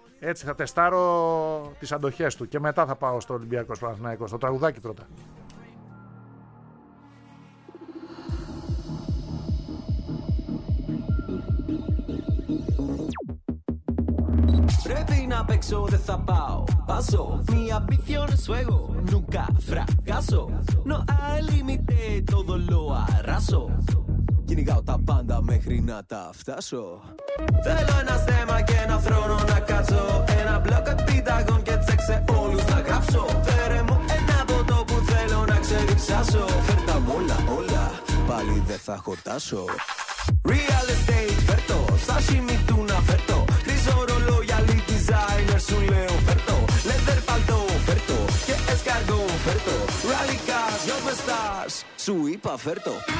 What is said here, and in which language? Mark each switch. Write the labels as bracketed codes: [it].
[el] Έτσι θα τεστάρω τις αντοχές του και μετά θα πάω στο Ολυμπιακό Παναθηναϊκό. Το τραγουδάκι πρώτα. Πρέπει να παίξω, δεν θα πάω. [es] Πάσω, mi ambición es fuego. Nunca fracaso. No hay límite, todo lo arraso. [el] Κυνηγάω τα πάντα μέχρι να τα φτάσω. Θέλω ένα θέμα και ένα θρόνο να κάτσω. Ένα μπλοκ επιταγών και τσέξε όλους να γράψω. Φέρε μου ένα ποτό που θέλω να ξεριξάσω. Φέρ' τα μου όλα, όλα, πάλι δεν θα χορτάσω. Real estate φέρτο, σάσιμι του να φέρτο. Χρήζω ρολόγια, lead designer σου λέω φέρτο. Leather παλτό φέρτο και escargot φέρτο. Rally cars, yo me stars, σου είπα φέρτο.